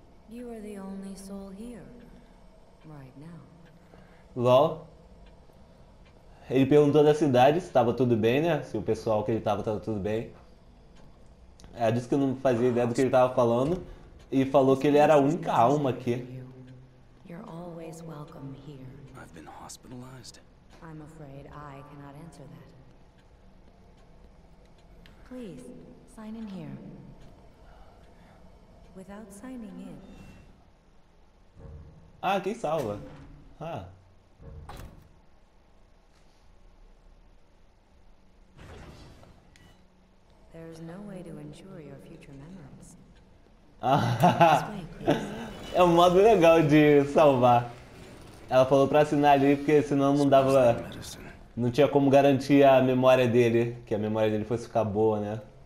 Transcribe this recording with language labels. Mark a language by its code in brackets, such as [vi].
[en] You are the only soul here right now. Lol. [pt] Ele perguntou da cidade se estava tudo bem, né? Se o pessoal que ele estava tudo bem. Ela disse que não fazia ideia do que ele estava falando e falou que ele era a única alma aqui. [en] You're always welcome here. I've been hospitalized. I'm afraid I cannot answer that. Please, sign in here. Without signing in. [pt] Ah, quem salva? Ah. [en] There's no way to ensure your future memories. [pt] É um modo legal de salvar. Ela falou pra assinar ali, porque senão não dava... Não tinha como garantir a memória dele. Que a memória dele fosse ficar boa, né?